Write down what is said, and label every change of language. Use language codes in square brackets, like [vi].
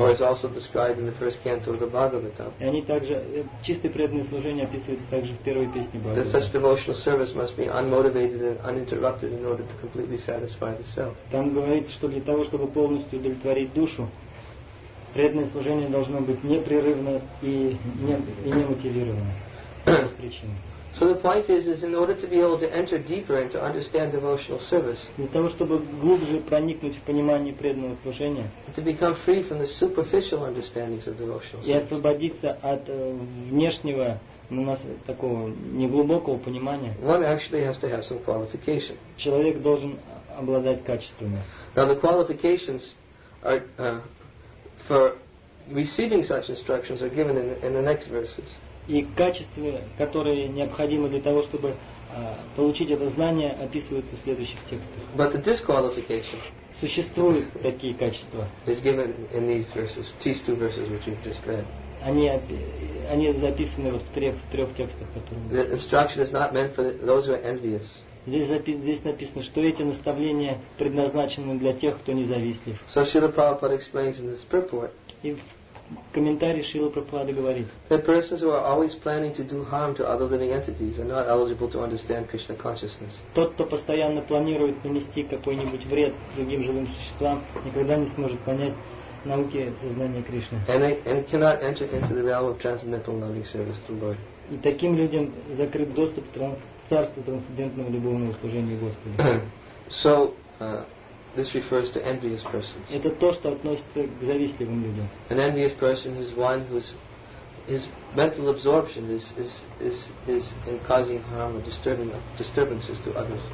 [en] Or it's also described in the first canto of the Bhagavatam. [ru] И они также чистое преданное служение описывается также в первой песне Бхагаватам. [en] That such devotional service must be unmotivated and uninterrupted in order to completely satisfy the self. [ru] Там говорится, что для того, чтобы полностью удовлетворить душу, преданное служение должно быть непрерывно и не мотивировано. [en] So the point is in order to be able to enter deeper and to understand devotional service. [ru] Для того, чтобы глубже проникнуть в понимание преданного служения. [en] To become free from the superficial understandings of devotional service. [ru] И освободиться от внешнего, у нас такого неглубокого понимания. [en] One actually has to have some qualification. [ru] Человек должен обладать качествами. [en] Now the qualifications are for receiving such instructions are given in the next verses. [ru] И качества, которые необходимы для того, чтобы получить это знание, описываются в следующих текстах. [en] But the disqualification [ru] существуют такие качества. [en] Is given in these two verses which you've just read. [ru] Они записаны вот в трех текстах, которые. [en] The instruction is not meant for those who are envious. [ru] Здесь написано, что эти наставления предназначены для тех, кто независтлив. [en] So Srila Prabhupada explains in this purport. [ru] Комментарий Шрилы Прабхупады говорит. [en] That persons who are always planning to do harm to other living entities are not eligible to understand Krishna consciousness. [ru] Тот, кто постоянно планирует нанести какой-нибудь вред другим живым существам, никогда не сможет понять науки сознания Кришны. [en] And cannot enter into the realm of transcendental loving service to the Lord. [ru] И таким людям закрыт доступ к царству трансцендентного любовного служения Господу. [en] So this refers to envious persons. [ru] Это то, что относится к завистливым людям. [en] An envious person is one whose mental absorption is in causing harm or disturbances to others.